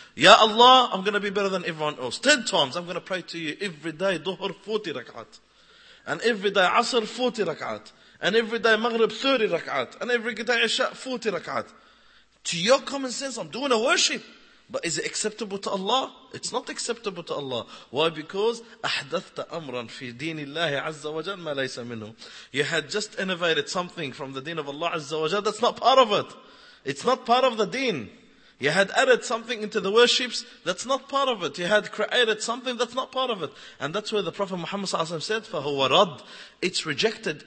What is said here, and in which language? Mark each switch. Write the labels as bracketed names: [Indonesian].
[English] Ya Allah, I'm going to be better than everyone else. 10 times I'm going to pray to you every day, duhur 40 rak'ah. And every day, asr 40 rak'ah. And every day, maghrib 30 rak'ah. And every day, isha 40 rak'ah. To your common sense, I'm doing a worship. But is it acceptable to Allah? It's not acceptable to Allah. Why? Because [Arabic] أحدثت أمرا في دين الله عز وجل ما ليس منه. [English] You had just innovated something from the deen of Allah عز وجل. That's not part of it. It's not part of the deen. You had added something into the worships. That's not part of it. You had created something. That's not part of it. And that's where the Prophet Muhammad صلى الله عليه وسلم said, [Arabic] فهو رد. [English] It's rejected.